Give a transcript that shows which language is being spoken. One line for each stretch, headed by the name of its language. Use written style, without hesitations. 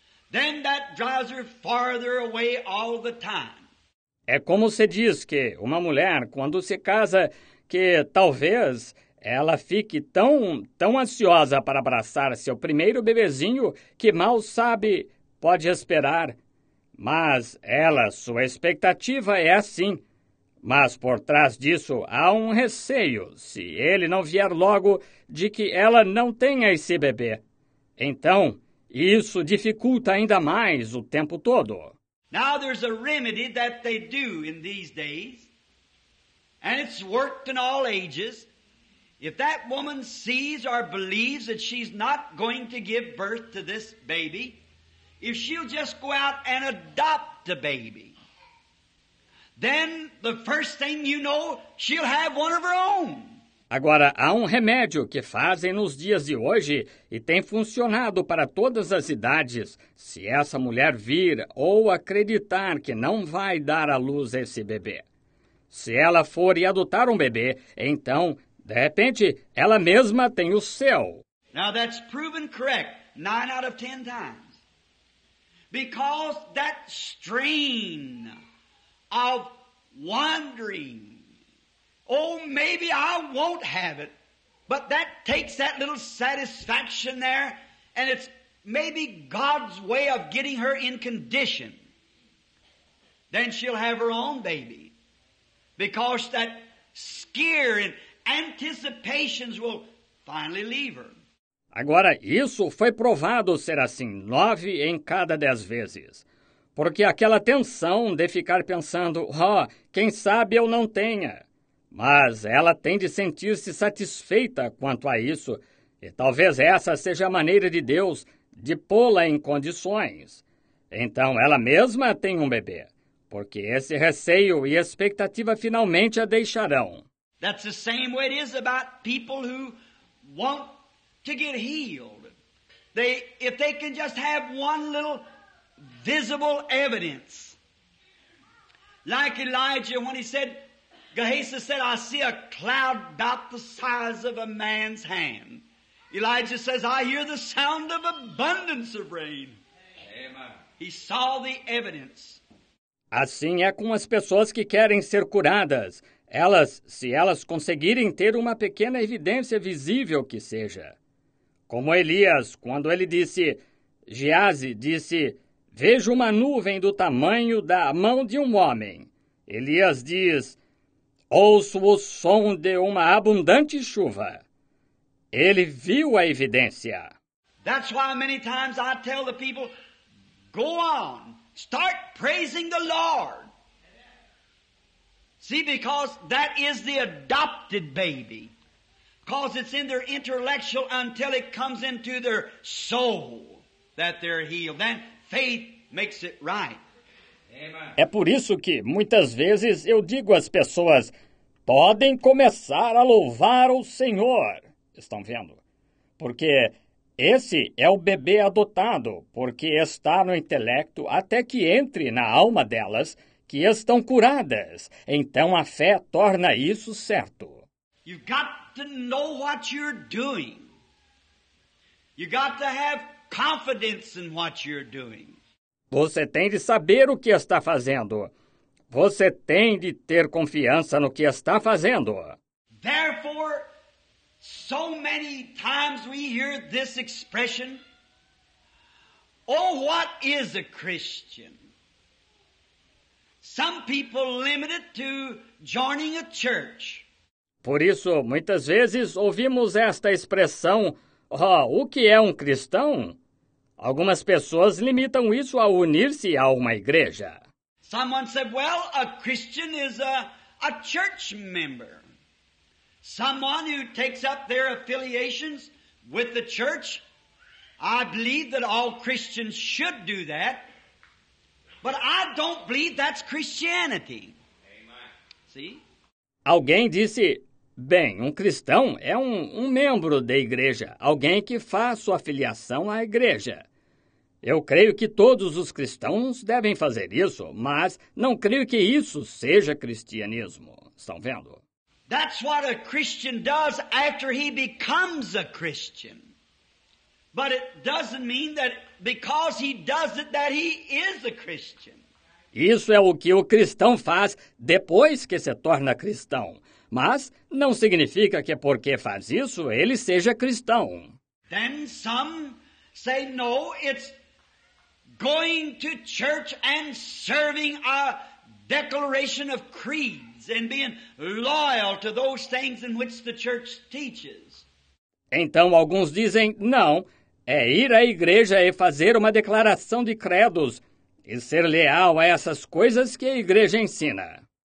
English: Then that drives her farther away all the time.
Portuguese: É como se diz que uma mulher, quando se casa, que talvez ela fique tão ansiosa para abraçar seu primeiro bebezinho que mal sabe, pode esperar. Mas ela, sua expectativa é assim. Mas por trás disso há um receio, se ele não vier logo, de que ela não tenha esse bebê. Então, isso dificulta ainda mais o tempo todo.
English: Now there's a remedy that they do in these days, and it's worked in all ages. If that woman sees or believes that she's not going to give birth to this baby, if she'll just go out and adopt the baby, then the first thing you know, she'll have one of her own.
Portuguese: Agora, há um remédio que fazem nos dias de hoje e tem funcionado para todas as idades. Se essa mulher vir ou acreditar que não vai dar à luz esse bebê. Se ela for e adotar um bebê, então, de repente, ela mesma tem o seu.
English: Now that's proven correct 9 out of 10 times. Because that strain of wondering, oh, maybe I won't have it, but that takes that little satisfaction there, and it's maybe God's way of getting her in condition. Then she'll have her own baby. Because that scare and anticipations will finally leave her.
Portuguese: Agora, isso foi provado ser assim 9 em cada 10 vezes. Porque aquela tensão de ficar pensando, oh, quem sabe eu não tenha. Mas ela tem de sentir-se satisfeita quanto a isso. E talvez essa seja a maneira de Deus de pô-la em condições. Então, ela mesma tem um bebê. Porque esse receio e expectativa finalmente a deixarão.
English: That's the same way it is about people who want to get healed. They, if they can just have one little visible evidence. Like Elijah when he said, Gehazi said, I see a cloud about the size of a man's hand. Elijah says, I hear the sound of abundance of rain. Amen. He saw the evidence.
Portuguese: Assim é com as pessoas que querem ser curadas. Elas, se elas conseguirem ter uma pequena evidência visível que seja. Como Elias, quando ele disse, Gehazi disse, vejo uma nuvem do tamanho da mão de um homem. Elias diz, ouço o som de uma abundante chuva. Ele viu a evidência.
English: That's why many times I tell the people, go on, start praising the Lord. See, because that is the adopted baby. Because it's in their intellectual until it comes into their soul that they're healed. Then faith makes it right. Amen.
Portuguese: É por isso que muitas vezes eu digo às pessoas, podem começar a louvar o Senhor. Estão vendo? Porque esse é o bebê adotado, porque está no intelecto até que entre na alma delas, que estão curadas. Então a fé torna isso certo.
English: You've got to know what you're doing. You've got to have confidence in what you're doing.
Portuguese: Você tem de saber o que está fazendo. Você tem de ter confiança no que está fazendo.
English: Therefore, so many times we hear this expression, oh, what is a Christian? Some people limit it to joining a church.
Portuguese: Por isso, muitas vezes, ouvimos esta expressão, oh, o que é um cristão? Algumas pessoas limitam isso a unir-se a uma igreja.
English: Someone said, well, a Christian is a church member. Someone who takes up their affiliations with the church. I believe that all Christians should do that. But I don't believe that's Christianity. Amen. See?
Portuguese: Alguém disse, bem, um cristão é um membro da igreja, alguém que faz sua filiação à igreja. Eu creio que todos os cristãos devem fazer isso, mas não creio que isso seja cristianismo. Estão vendo?
English: That's what a Christian does after he becomes a Christian. But it doesn't mean that because he does it that he is a Christian.
Portuguese: Isso é o que o cristão faz depois que se torna cristão. Mas não significa que porque faz isso ele seja cristão.
English: Then some say no, it's going to church and serving a declaration of creeds and being loyal to those things in which the church teaches.
Portuguese: Então alguns dizem não, é ir à igreja e fazer uma declaração de credos e ser leal a essas coisas que a igreja ensina.